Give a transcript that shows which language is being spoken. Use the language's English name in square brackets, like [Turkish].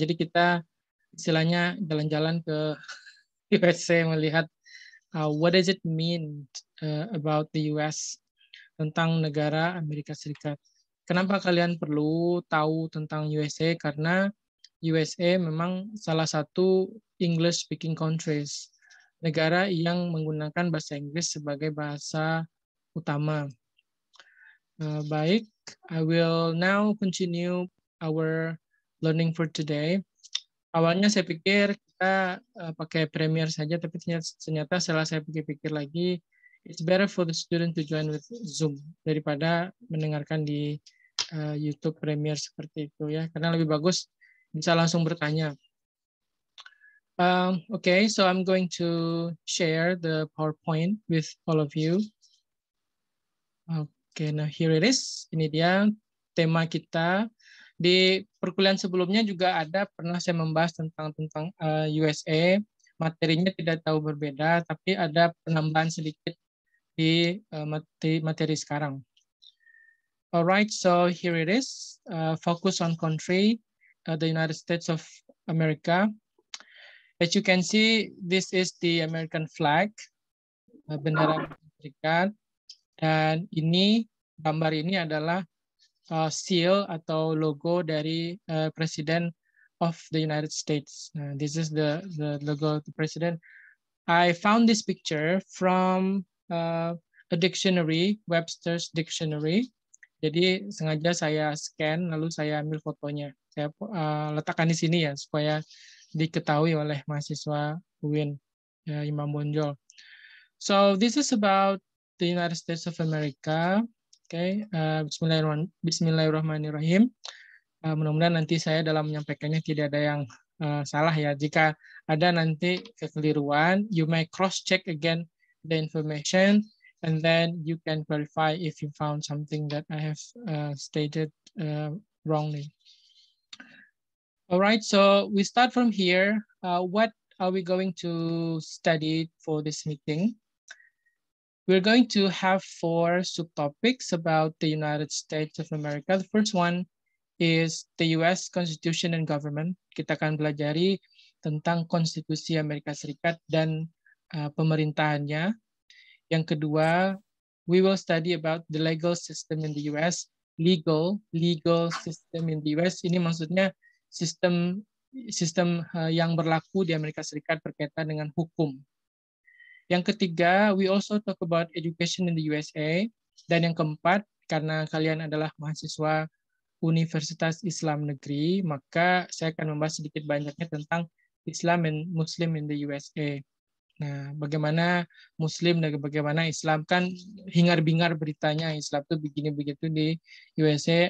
[Indonesian] Jadi kita istilahnya jalan-jalan ke USA melihat [English] what does it mean about the US, [Indonesian] tentang negara Amerika Serikat. Kenapa kalian perlu tahu tentang USA? Karena USA memang salah satu [English] English speaking countries, [Indonesian] negara yang menggunakan bahasa Inggris sebagai bahasa utama. Baik, [English] I will now continue our learning for today. [Indonesian] Awalnya saya pikir kita pakai Premier saja, tapi ternyata setelah saya pikir-pikir lagi, [English] it's better for the student to join with Zoom [Indonesian] daripada mendengarkan di YouTube Premier seperti itu ya, karena lebih bagus bisa langsung bertanya. [English] Okay, so I'm going to share the PowerPoint with all of you. Okay, now here it is. [Indonesian] Ini dia tema kita. Di perkuliahan sebelumnya juga ada pernah saya membahas tentang USA. Materinya tidak tahu berbeda, tapi ada penambahan sedikit di materi sekarang. [English] Alright, so here it is. Focus on country, the United States of America. As you can see, this is the American flag, [Indonesian] bendera Amerika, dan ini gambar ini adalah seal atau logo dari Presiden [English] of the United States. This is the logo of the president. I found this picture from a dictionary, Webster's dictionary. [Indonesian] Jadi sengaja saya scan lalu saya ambil fotonya. Saya letakkan di sini ya supaya diketahui oleh mahasiswa UIN, ya, Imam Bonjol. [English] So this is about the United States of America. [Indonesian] Okay, Bismillahirrahmanirrahim. Mudah-mudahan nanti saya dalam menyampaikannya tidak ada yang salah ya. Jika ada nanti kekeliruan, [English] you may cross check again the information and then you can clarify if you found something that I have stated wrongly. All right, so we start from here. What are we going to study for this meeting? We're going to have four subtopics about the United States of America. The first one is the US Constitution and Government. [Indonesian] Kita akan belajar tentang konstitusi Amerika Serikat dan pemerintahannya. Yang kedua, [English] we will study about the legal system in the US. Legal system in the US. [Indonesian] Ini maksudnya sistem yang berlaku di Amerika Serikat berkaitan dengan hukum. Yang ketiga, [English] we also talk about education in the USA. [Indonesian] Dan yang keempat, karena kalian adalah mahasiswa Universitas Islam Negeri, maka saya akan membahas sedikit banyaknya tentang [English] Islam and Muslim in the USA. [Indonesian] Nah, bagaimana Muslim dan bagaimana Islam, kan hingar-bingar beritanya Islam itu begini begitu di USA.